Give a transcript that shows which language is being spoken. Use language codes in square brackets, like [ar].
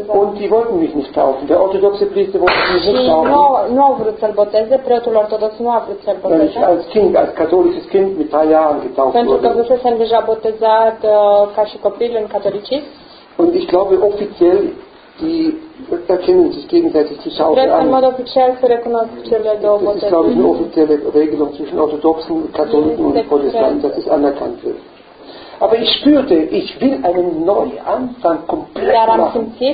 [de] Und die wollten mich nicht taufen. Der orthodoxe Priester wollte mich nicht taufen. [ro] Nu au vrut să-l boteze, preotul ortodox nu a vrut să-l boteze. [de] Ich als Kind, als katholisches Kind mit 3 Jahren getauft wurde. [ro] Pentru că fusesem deja botezat ca și copil în catolicism. [de] Und ich glaube offiziell, die erkennen sich gegenseitig zu schauen an. Das ist, glaube ich, eine offizielle Regelung zwischen orthodoxen Katholiken und Protestanten, dass es anerkannt wird. Aber ich spürte, ich will einen Neuanfang komplett machen.